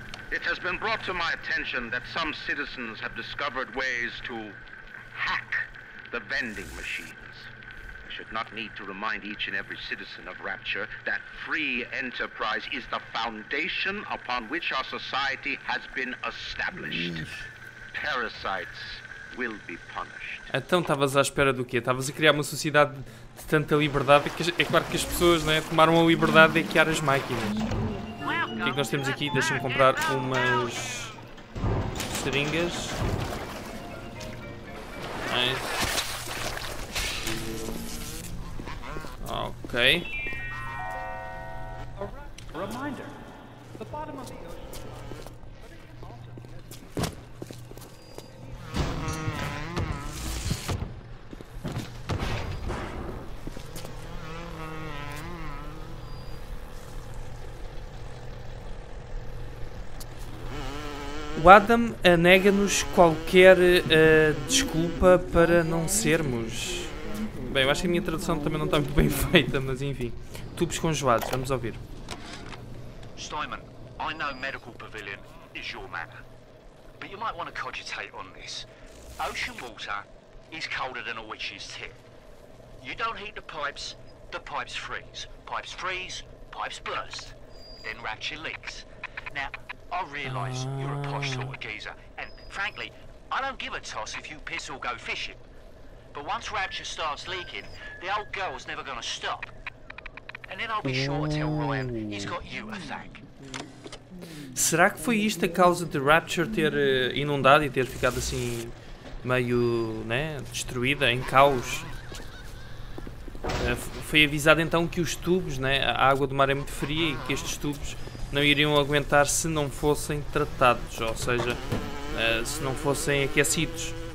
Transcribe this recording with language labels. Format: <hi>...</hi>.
<en>It has been brought to my attention that some citizens have discovered ways to hack the vending machines. I should not need to remind each and every citizen of Rapture that free enterprise is the foundation upon which our society has been established. Parasites will be punished.</en> <pt>Então estavas à espera do quê? Estavas a criar uma sociedade de tanta liberdade que é claro que as pessoas, né, tomaram a liberdade de hackear as máquinas. O que é que nós temos aqui? Deixa-me comprar umas seringas. Ok. O Adam nega-nos qualquer desculpa para não sermos. Bem, eu acho que a minha tradução também não está muito bem feita, mas enfim. Tubos congelados, vamos ouvir.</pt> <en>Steinman, I know medical pavilion is your matter. But you might want to cogitate on this. Ocean water is colder than a witch's tip. You don't heat the pipes freeze. Pipes freeze, pipes burst. Then rapture leaks. Now, I realize you're a posh sort of geezer, and frankly, I don't give a toss if you piss or go fishing. But once Rapture starts leaking, the old girl's never gonna stop. And then I'll be sure to tell Ryan he's got you a thank.</en> <pt>Será que foi isto a causa de Rapture ter inundado e ter ficado assim meio, né, destruída, em caos? Foi avisado então que os tubos, né, a água do mar é muito fria e que estes tubos não iriam aguentar se não fossem tratados, ou seja, se não fossem aquecidos.</pt>